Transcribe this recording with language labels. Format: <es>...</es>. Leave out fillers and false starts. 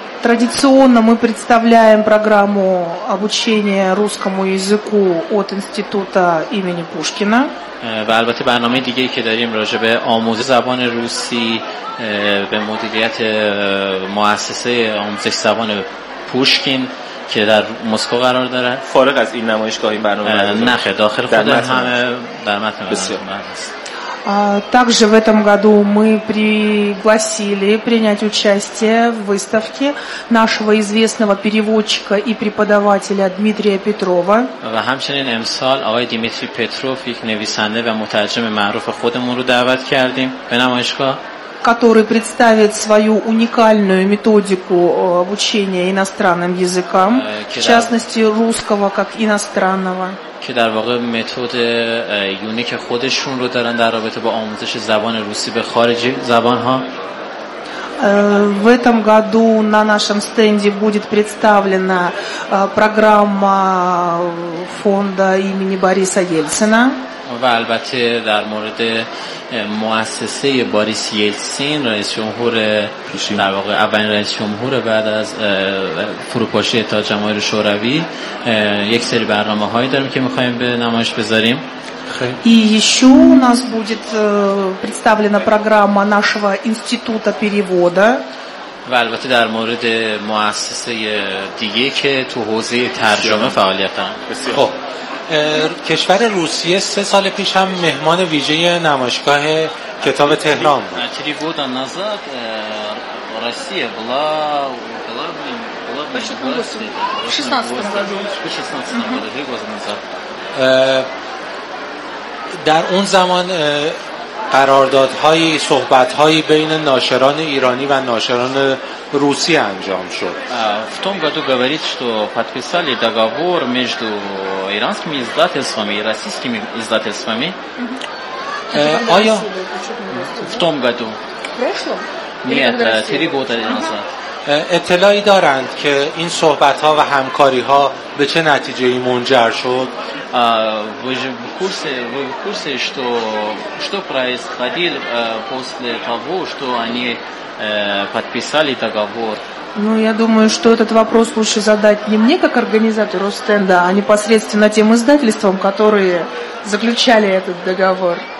<ru>Традиционно мы представляем программу обучения русскому языку от института имени Пушкина.</ru> <fa>و البته برنامه دیگه که داریم راجع به آموزش زبان روسی به مدیریت مؤسسه آموزش زبان پوشکین که در مسکو قرار داره. فارغ از این نمایشگاه این برنامه نه خیر، داخل خود همه در متن</fa> <ru>Также в этом году мы пригласили принять участие в выставке нашего известного переводчика и преподавателя Дмитрия Петрова.</ru> <fa>و همچنین امسال آقای دیمیتری پتروف یک نویسنده و مترجم معروف خودمون رو دعوت کردیم به نمایشگاه.</fa> <ru>Который представит свою уникальную методику обучения иностранным языкам, в частности русского как иностранного.</ru> <fa>که در واقع متد یونیک خودشون رو دارن در رابطه با آموزش زبان روسی به خارجی زبان‌ها.</fa> <ru>В этом году на нашем стенде будет представлена программа фонда имени Бориса Ельцина.</ru> <fa>و البته در مورد مؤسسه بوریس یلسین رئیس جمهور پیشین، در واقع اولین رئیس جمهور بعد از فروپاشی اتحاد جماهیر شوروی، یک سری برنامه‌هایی داریم که می‌خوایم به نمایش بذاریم. خیلی.</fa> <ru>И ещё у нас будет представлена программа нашего института перевода.</ru> <fa>و البته در مورد مؤسسه دیگه که تو حوزه ترجمه فعالیت دارن. خب کشور روسیه سه سال پیش هم مهمان ویژه نمایشگاه کتاب تهران بود. اتری بود نزد روسیه بلا بلا بلا در اون زمان قراردادهای صحبتهای بین ناشران ایرانی و ناشران روسی انجام شد.</fa> <ru>В том году говорит, что подписали договор между иранскими издательствами и российскими издательствами. Ая. В том году. В прошлом? Нет, три года назад.</ru> <fa>اطلاعی دارند که این صحبت‌ها و همکاری‌ها به چه نتیجه‌ای منجر شد؟</fa> <ru>В курсе, что происходил после того, что они подписали договор? Ну, я думаю, что этот вопрос лучше задать не мне, как организатору стенда, а непосредственно тем издательствам, которые заключали этот договор.</ru>